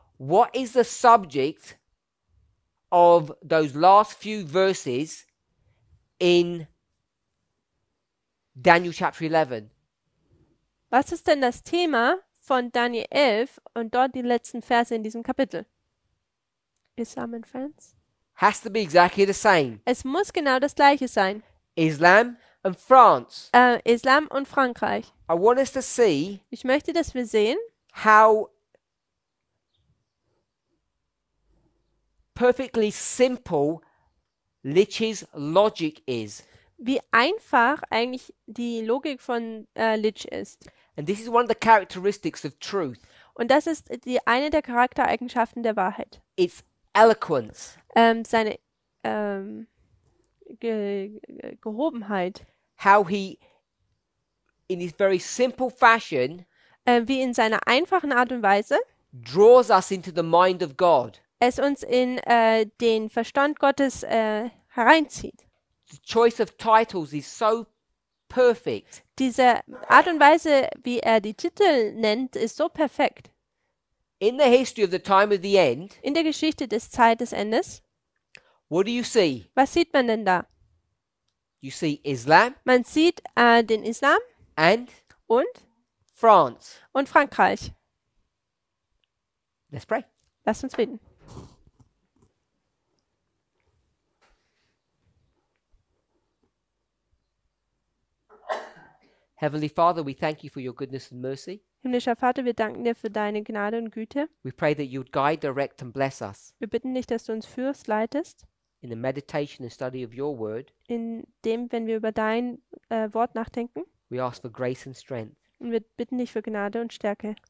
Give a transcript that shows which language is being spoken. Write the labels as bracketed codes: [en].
[en] what is the subject of those last few verses in Daniel chapter 11? [de] was ist denn das Thema von Daniel 11 und dort die letzten Verse in diesem Kapitel? [en] Islam and France. Has to be exactly the same. [de] Es muss genau das gleiche sein. [en] Islam and France. [de] Islam und Frankreich. [en] I want us to see [de] Ich möchte, dass wir sehen, [en] how perfectly simple Litch's logic is. [de] wie einfach eigentlich die Logik von Litch ist. [en] And this is one of the characteristics of truth. [de] Und das ist die eine der Charaktereigenschaften der Wahrheit. [en] It's eloquence. [de] Seine Gehobenheit. [en] How he, in his very simple fashion, [de] Wie in seiner einfachen Art und Weise [en] draws us into the mind of God. [de] es uns in den Verstand Gottes hereinzieht. [en] The choice of titles is so perfect. [de] Diese Art und Weise, wie er die Titel nennt, ist so perfekt. [en] In the history of the time of the end, [de] In der Geschichte des Zeit des Endes, [en] what do you see? [de] was sieht man denn da? [en] You see Islam [de] Man sieht den Islam [en] and France. [de] und Frankreich. [en] Let's pray. [de] Lasst uns beten. [en] Heavenly Father, we thank you for your goodness and mercy. [de] Himmlischer Vater, wir danken dir für deine Gnade und Güte. [en] We pray that you would guide, direct and bless us. [de] Wir bitten dich, dass du uns führst, leitest, [en] In the meditation and study of your word, [de] in dem, wenn wir über dein Wort nachdenken. [en] we ask for grace and strength. [de] Und wir bitten dich für Gnade und Stärke.